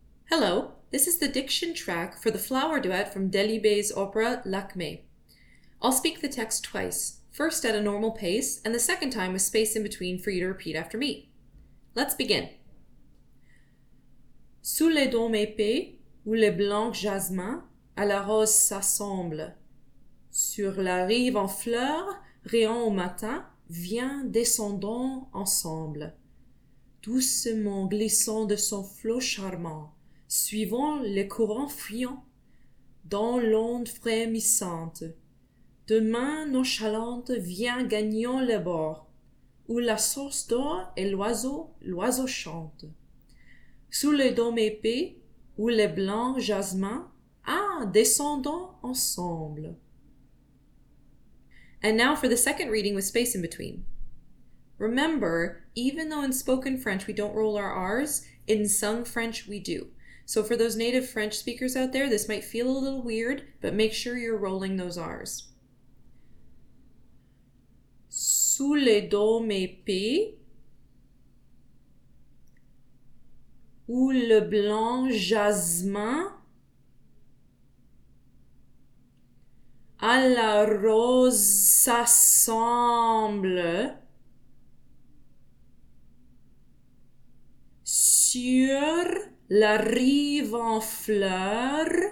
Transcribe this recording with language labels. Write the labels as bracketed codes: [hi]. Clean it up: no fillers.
[en] Hello, this is the diction track for the flower duet from Delibes' opera Lakmé. I'll speak the text twice, first at a normal pace, and the second time with space in between for you to repeat after me. Let's begin. [fr] Sous les dômes épais, où les blancs jasmins à la rose s'assemblent, sur la rive en fleurs, riant au matin, vient descendant ensemble, doucement glissant de son flot charmant, suivant les courants fuyants, dans l'onde frémissante. De main nonchalante vient gagnant le bord, où la source d'or et l'oiseau chante. Sous le dôme épais, où les blancs jasmins, descendant ensemble. [en] And now for the second reading with space in between. Remember, even though in spoken French we don't roll our R's, in sung French we do. So for those native French speakers out there, this might feel a little weird, but make sure you're rolling those R's. [fr] Sous les dômes épais, où le blanc jasmin à la rose s'assemble, sur la rive en fleurs,